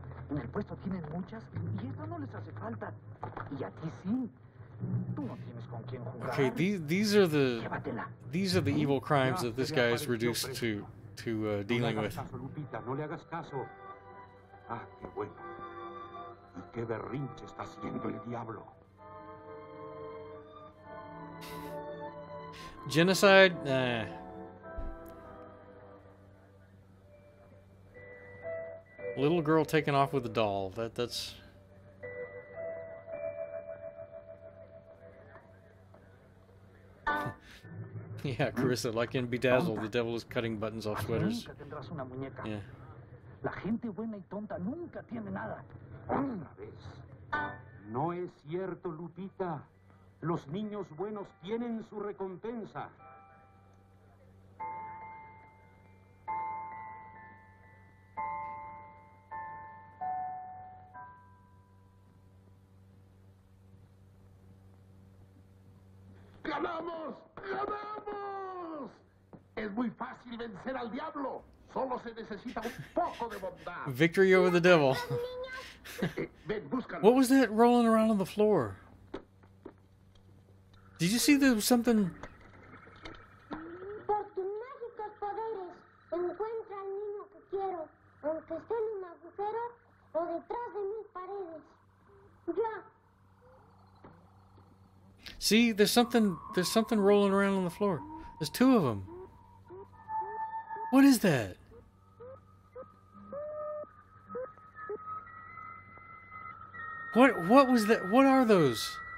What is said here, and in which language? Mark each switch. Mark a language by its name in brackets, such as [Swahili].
[Spanish] En el puesto tienen muchas y esta no les hace falta. Y a ti sí. Tú no tienes con quién jugar. [English] Okay, these are the evil crimes that this guy is reduced to dealing with. [Spanish] No le hagas caso. Ah, qué bueno. Y qué berrinche está haciendo el diablo. [English] Genocide. Little girl taken off with a doll. That's Yeah, Carissa, like in Bedazzled, the devil is cutting buttons off sweaters. Yeah. [Spanish] La gente buena y tonta nunca tiene nada. Una vez. No es cierto, Lupita. Los niños buenos tienen su recompensa. ¡Ganamos! ¡Ganamos! Es muy fácil vencer al diablo. Solo se necesita un poco de bondad. [English] Victory over the devil. [Spanish] Ven, búscalo. [English] What was that rolling around on the floor? Did you see there was something? [Spanish] Por tus mágicos poderes, encuentra al niño que quiero, aunque esté en un agujero o detrás de mis paredes. Ya. [English] See, there's something rolling around on the floor. There's two of them. What is that? What was that? What are those?